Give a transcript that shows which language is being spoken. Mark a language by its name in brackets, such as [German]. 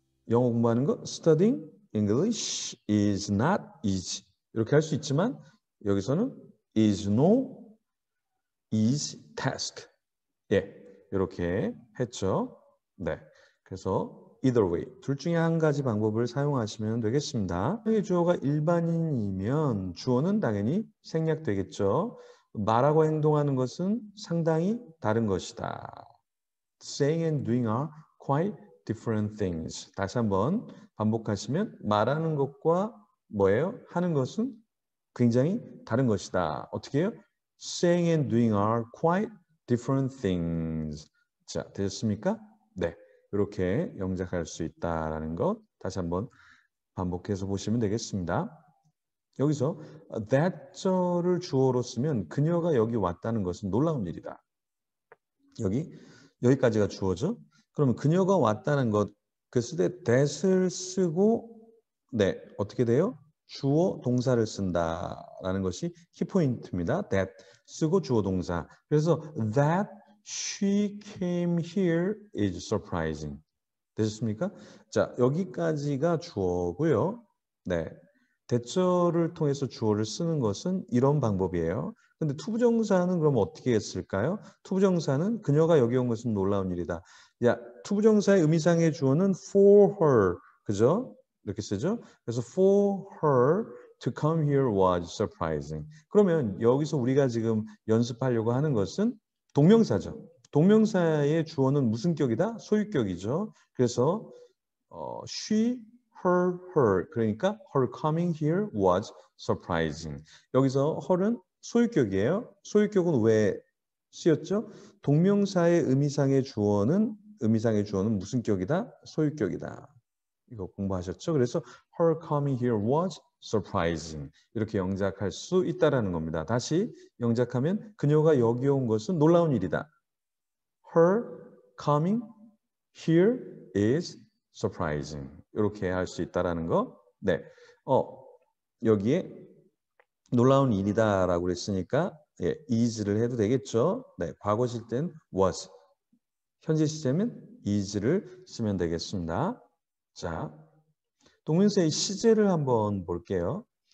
[Korean] 영어 공부하는 거 [English] Studying English is not easy [Korean] 이렇게 할 수 있지만 여기서는 [English] is no easy task [Korean] 예, 이렇게 했죠. 네, 그래서 [English] either way [Korean] 둘 중에 한 가지 방법을 사용하시면 되겠습니다. 명사의 주어가 일반인이면 주어는 당연히 생략되겠죠. 말하고 행동하는 것은 상당히 다른 것이다. [English] Saying and doing are quite different things. [Korean] 다시 한번 반복하시면 말하는 것과 뭐예요? 하는 것은 굉장히 다른 것이다. 어떻게 해요? [English] Saying and doing are quite different things. [Korean] 자, 되셨습니까? 네, 이렇게 영작할 수 있다라는 것 다시 한번 반복해서 보시면 되겠습니다. 여기서 that절을 주어로 쓰면 그녀가 여기 왔다는 것은 놀라운 일이다. 여기까지가 주어죠. 그러면 그녀가 왔다는 것, 그랬을 때 that을 쓰고 네, 어떻게 돼요? 주어 동사를 쓴다라는 것이 키포인트입니다. that 쓰고 주어 동사. [English] 그래서 that she came here is surprising. [Korean] 되셨습니까? 자, 여기까지가 주어고요. 네, 대절을 통해서 주어를 쓰는 것은 이런 방법이에요. 근데 투부정사는 그럼 어떻게 했을까요? 투부정사는 그녀가 여기 온 것은 놀라운 일이다. 야, 투부정사의 의미상의 주어는 for her, 그죠? 이렇게 쓰죠? [English] 그래서 for her to come here was surprising. [Korean] 그러면 여기서 우리가 지금 연습하려고 하는 것은 동명사죠. 동명사의 주어는 무슨 격이다? 소유격이죠. [English] 그래서 she, her, her, 그러니까 her coming here was surprising. [Korean] 여기서 her은 소유격이에요. 소유격은 왜 쓰였죠? 동명사의 의미상의 주어는 무슨 격이다? 소유격이다. 이거 공부하셨죠? [English] 그래서 her coming here was surprising. [Korean] 이렇게 영작할 수 있다라는 겁니다. 다시 영작하면 그녀가 여기 온 것은 놀라운 일이다. [English] Her coming here is surprising. [Korean] 이렇게 할 수 있다라는 거. 네. 여기에 놀라운 일이다 라고 그랬으니까 예, is를 해도 되겠죠. 네, 과거실 땐 was, 현재 시제면 is를 쓰면 되겠습니다. 자, 동명사의 시제를 한번 볼게요.